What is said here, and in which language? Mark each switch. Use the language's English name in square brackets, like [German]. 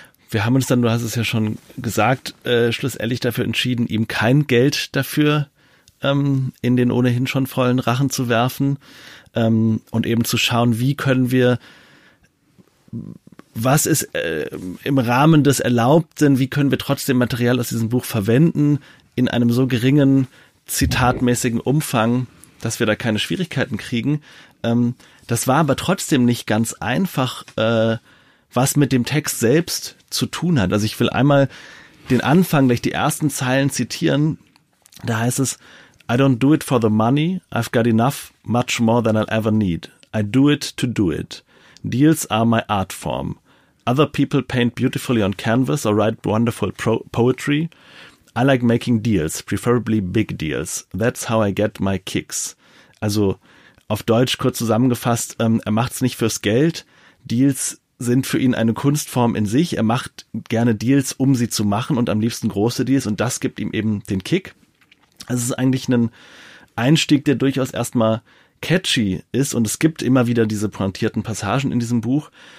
[German] Wir haben uns dann, du hast es ja schon gesagt, schlussendlich dafür entschieden, ihm kein Geld dafür in den ohnehin schon vollen Rachen zu werfen, und eben zu schauen, wie können wir, was ist im Rahmen des Erlaubten, wie können wir trotzdem Material aus diesem Buch verwenden, in einem so geringen, zitatmäßigen Umfang, dass wir da keine Schwierigkeiten kriegen. Das war aber trotzdem nicht ganz einfach, was mit dem Text selbst zu tun hat. Also ich will einmal den Anfang, gleich die ersten Zeilen zitieren. Da heißt es: [English] I don't do it for the money, I've got enough, much more than I'll ever need. I do it to do it. Deals are my art form. Other people paint beautifully on canvas or write wonderful poetry. I like making deals, preferably big deals. That's how I get my kicks. [German] Also auf Deutsch kurz zusammengefasst, er macht's nicht fürs Geld. Deals sind für ihn eine Kunstform in sich. Er macht gerne Deals, um sie zu machen, und am liebsten große Deals. Und das gibt ihm eben den Kick. Es ist eigentlich ein Einstieg, der durchaus erstmal catchy ist, und es gibt immer wieder diese pointierten Passagen in diesem Buch.